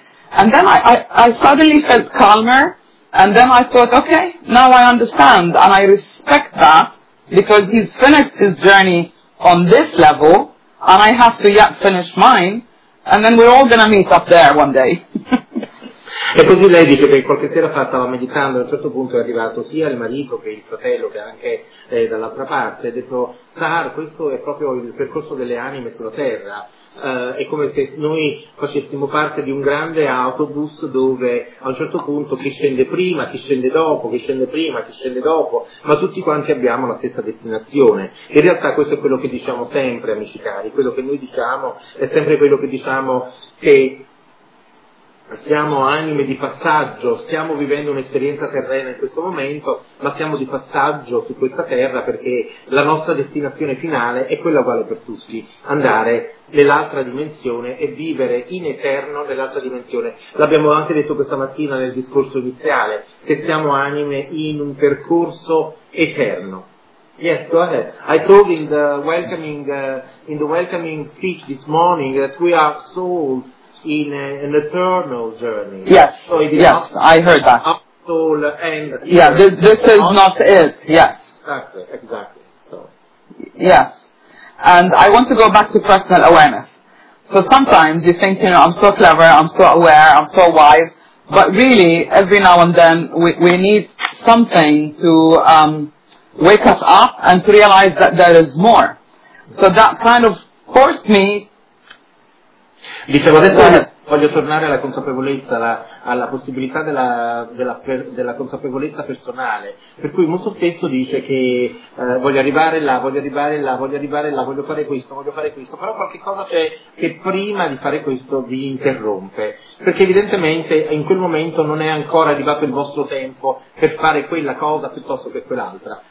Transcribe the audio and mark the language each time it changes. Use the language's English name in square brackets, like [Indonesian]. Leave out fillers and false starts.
[English] And then I suddenly felt calmer, and then I thought, okay, now I understand, and I respect that, because he's finished his journey on this level, and I have to yet finish mine. And then we're all going to meet up there one day. [Italian] E così lei dice che qualche sera fa stava meditando, a un certo punto è arrivato sia il marito che il fratello, che anche dall'altra parte, ha detto: Sar, questo è proprio il percorso delle anime sulla terra, è come se noi facessimo parte di un grande autobus dove a un certo punto chi scende prima, chi scende dopo, chi scende prima, chi scende dopo, ma tutti quanti abbiamo la stessa destinazione. In realtà questo è quello che diciamo sempre, amici cari, quello che noi diciamo è sempre quello che diciamo, che siamo anime di passaggio, stiamo vivendo un'esperienza terrena in questo momento, ma siamo di passaggio su questa terra perché la nostra destinazione finale è quella uguale per tutti, andare nell'altra dimensione e vivere in eterno nell'altra dimensione. L'abbiamo anche detto questa mattina nel discorso iniziale, che siamo anime in un percorso eterno. [English] Yes, go ahead. I told in the welcoming speech this morning that we are souls in an eternal journey. Yes, so it is, yes, I heard that. Up soul and yeah, this is not it, yes. Exactly. So. Yes. And I want to go back to personal awareness. So sometimes you think, you know, I'm so clever, I'm so aware, I'm so wise, but really, every now and then, we need something to wake us up and to realize that there is more. So that kind of forced me... [Italian] Dicevo, adesso voglio tornare alla consapevolezza, alla possibilità della consapevolezza personale, per cui molto spesso dice che voglio arrivare là, voglio fare questo, però qualche cosa c'è che prima di fare questo vi interrompe, perché evidentemente in quel momento non è ancora arrivato il vostro tempo per fare quella cosa piuttosto che quell'altra.